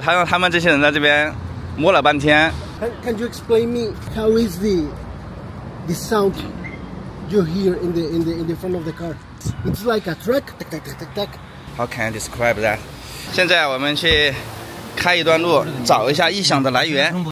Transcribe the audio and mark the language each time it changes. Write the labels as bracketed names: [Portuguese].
[Chinese] 他让他们这些人在这边摸了半天。 [English] Can you explain me how is the sound? You hear in the front of the car. It's like a truck. Tick, tick, tick, tick. How can I describe that? [Chinese] 现在我们去开一段路，找一下异响的来源。